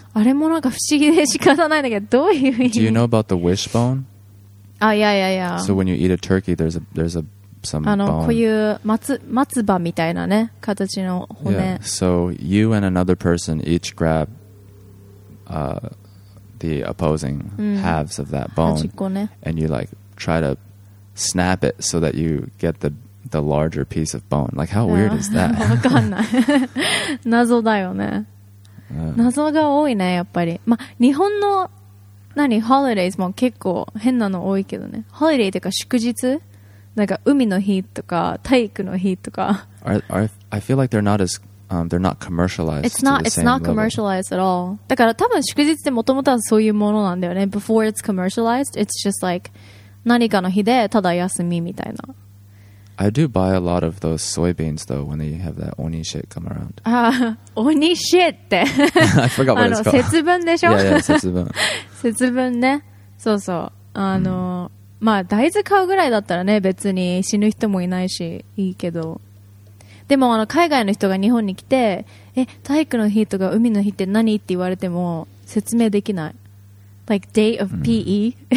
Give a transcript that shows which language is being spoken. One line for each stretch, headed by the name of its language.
Japanese: あれもなんか不思議で仕方ないんだけどどういう意味
English: Do you know about the wishbone? Oh yeah yeah yeah. So when you eat a turkey there's a some bone.
Japanese: こういう松葉みたいなね形の骨、
English: yeah. So you and another person each grab the opposing halves of that bone
Japanese: 端っこね、
English: and you like try to snap it so that you get the larger piece of bone. Like how weird is that?
Japanese: わかんない謎だよね、yeah. 謎が多いねやっぱり、ま、日本の何ホリデーズも結構変なの多いけどねホリデーというか祝日なんか海の日とか体育の日とか
English: I feel like they're not as they're not commercialized. It's not commercialized at all.
Japanese: だから多分祝日ってもともとはそういうものなんだよね
English: Before it's commercialized, it's just like
Japanese: 何かの日でただ休みみたいな
English: I do buy a lot of those soybeans though when they have that oni shit come around. Ah, oni shit って I forgot what it's called.
Japanese: 節分でしょ
English: yeah, yeah, 節分
Japanese: 節分ねそうそうまあ大豆買うぐらいだったらね別に死ぬ人もいないしいいけどでも海外の人が日本に来てえ体育の日とか海の日って何って言われても説明できない
English: like day of PE、